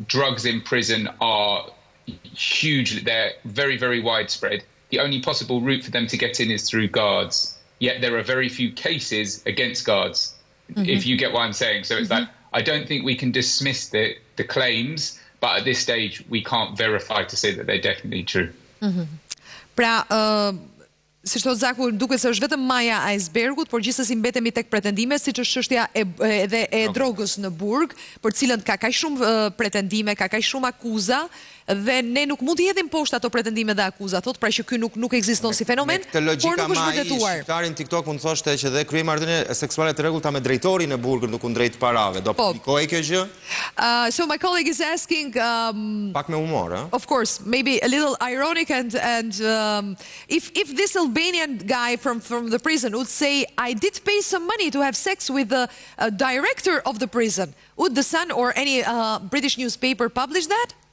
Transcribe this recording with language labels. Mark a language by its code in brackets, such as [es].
[en] Drugs in prison are huge. They're very, very widespread. The only possible route for them to get in is through guards. Yet there are very few cases against guards, mm-hmm. if you get what I'm saying. So it's mm-hmm. like, I don't think we can dismiss the claims, but at this stage we can't verify to say that they're definitely true. Mm-hmm. [sq] Pra, siç thot Zaku, duket se është vetëm maja e icebergut, por gjithsesi mbetemi tek pretendime, siç është çështja e drogës në burg, për cilën ka kaq shumë pretendime, ka kaq shumë akuza, dhe ne nuk mund të hedhim poshtë ato pretendime dhe akuza, thot, pra që ky nuk ekziston si fenomen, por nuk është vërtetuar. Shqiptarin TikTok mund të thoshte që dhe krimardhënie seksuale të rregullta me drejtorin e burgut në kundrejt parave, do aplikohej kjo gjë? [en] So my colleague is asking [sq] pak me humor, eh? [en] Of course, maybe a little ironic and if this Albanian guy from the prison would say, I did pay some money to have sex with the director of the prison, would The Sun or any British newspaper publish that?